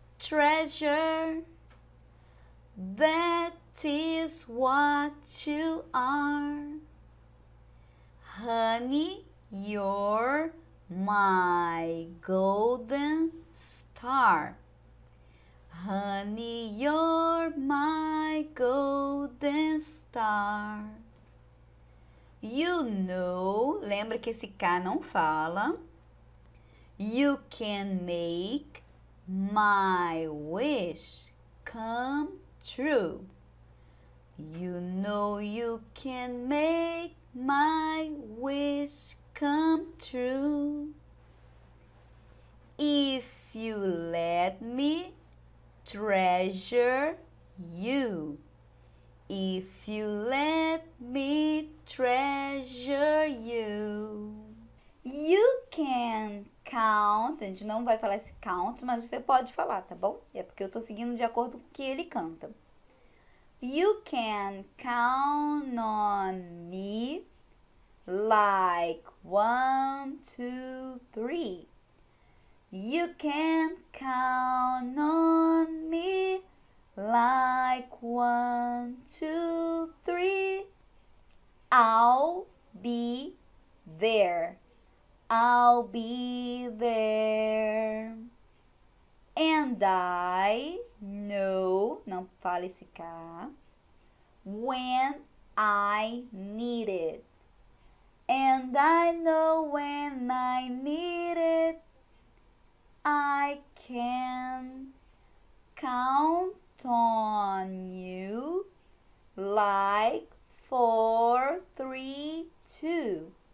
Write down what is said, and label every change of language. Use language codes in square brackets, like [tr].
[en] Treasure, that is what you are. Honey, you're my golden star. Honey, you're my golden star. You know, [pt] lembra que esse K não fala. [en] You can make my wish come true. You know you can make my wish come true if you let me treasure you. If you let me treasure you. You can count, [pt] a gente não vai falar esse count, mas você pode falar, tá bom? É porque eu tô seguindo de acordo com o que ele canta. [en] You can count on me like one, two, three. You can count on me like one, two, three. I'll be there. I'll be there. And I know, [pt] não fale esse K, [en] when I need it. And I know when I need it, I can count on you like 4-3-2.